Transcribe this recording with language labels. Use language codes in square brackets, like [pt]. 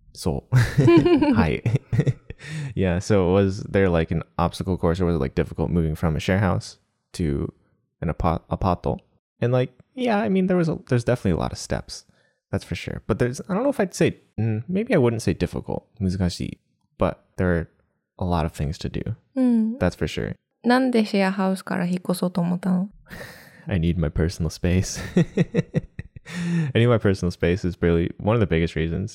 [ja] そう。はい。 [en] Yeah, so was there like an obstacle course or was it like difficult moving from a share house to an apato? And like, yeah, I mean, there's definitely a lot of steps. That's for sure. But I don't know if I'd say, maybe I wouldn't say difficult, 難しい, but there are a lot of things to do. That's for sure. [ja] なんでシェアハウスから引っ越そうと思ったの? [en] I need my personal space. I need my personal space is really one of the biggest reasons.